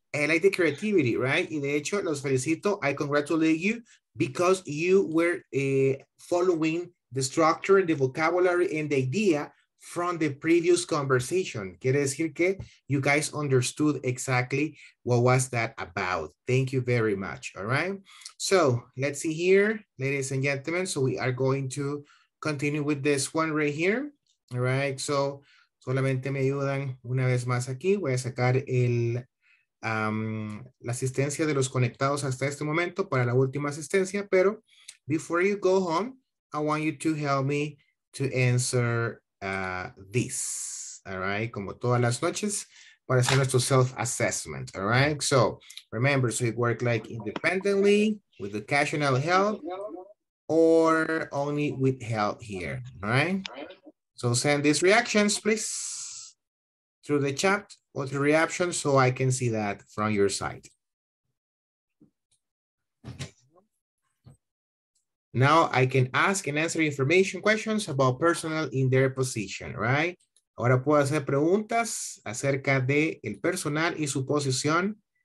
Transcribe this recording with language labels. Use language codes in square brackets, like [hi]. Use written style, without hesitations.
[en] I like the creativity, right? [es] Y de hecho, los felicito, [en] I congratulate you because you were following the structure, the vocabulary, and the idea from the previous conversation. [es] Quiere decir que [en] you guys understood exactly what was that about. Thank you very much, all right? So let's see here, ladies and gentlemen. So we are going to continue with this one right here, all right? [es] So solamente me ayudan una vez más aquí. Voy a sacar el la asistencia de los conectados hasta este momento para la última asistencia. Pero [en] before you go home, I want you to help me to answer this, all right? [es] Como todas las noches, para hacer nuestro self-assessment, [en] all right? So remember, so we work like independently with occasional help or only with help here, all right? So send these reactions, please, through the chat or through reactions so I can see that from your side. Now I can ask and answer information questions about personnel in their position, right? [es] Ahora puedo hacer preguntas acerca de el personal y su posición.